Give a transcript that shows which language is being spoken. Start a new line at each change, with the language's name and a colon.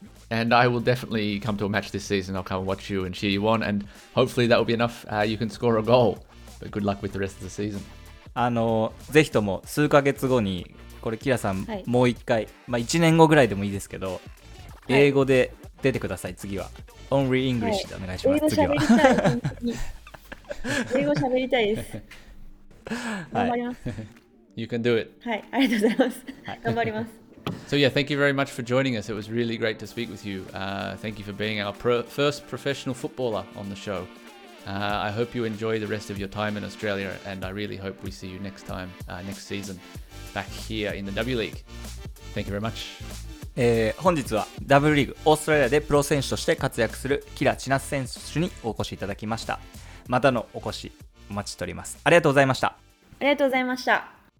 English: And I will definitely come to a match this season. I'll come and watch you and cheer you on. And hopefully that will be enough. You can score a goal. But good luck with the rest of the season.
Japanese: ぜひとも数ヶ月後に、これキラさん、はい、もう一回、まあ1年後ぐらいでもいいですけど、はい、英語で出てください。次は
English: Only English、
Japanese: はい、でお願いします。英語喋りたい。英語喋りたいです。頑張ります。
English: You can do it.
Japanese: はい、ありがとうございます。頑張ります。
English: So yeah, thank you very much for joining us. It was really great to speak with you. Thank you for being our first professional footballer on the show. I hope you enjoy the rest of your time in Australia, and I really hope we see you next time, next season, back here in the W League. Thank you very much.
Japanese: 本日は W リーグオーストラリアでプロ選手として活躍するキラ・チナス選手にお越しいただきました。またのお越しお待ちしております。ありがとうございました。ありがとうございました。